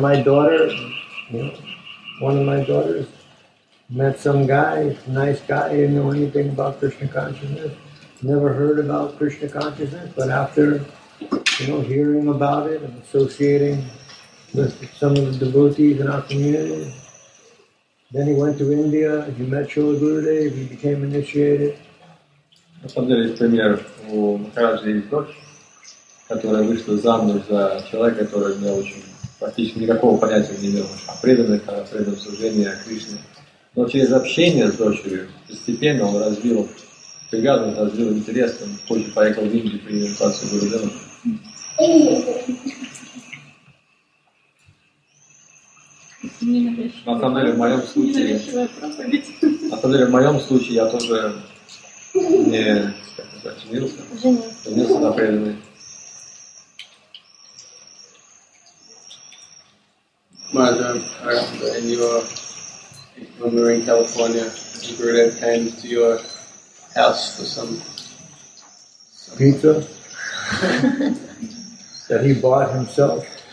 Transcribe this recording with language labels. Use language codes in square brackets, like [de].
[en] My daughter, you know, one of my daughters met some guy, nice guy, didn't know anything about Krishna consciousness. Never heard about Krishna consciousness, but after, you know, hearing about it and associating with some of the devotees in our community, then he went to India. He met Śrīla Gurudeva. He became initiated. [ru] На самом деле, пример у Махараджи есть дочь, которая вышла замуж за человека, который не очень практически никакого понятия не имел о преданных, о преданном служении, о Кришне. Но через общение с дочерью постепенно он развил привязанность, развил интерес, он позже поехал в Индию при инициации Гурудевы. На самом деле, в моем случае, я тоже не женился на преданной. [en] Mother, in your, when we were in California, the Gurudev came to your house for some pizza that he bought himself.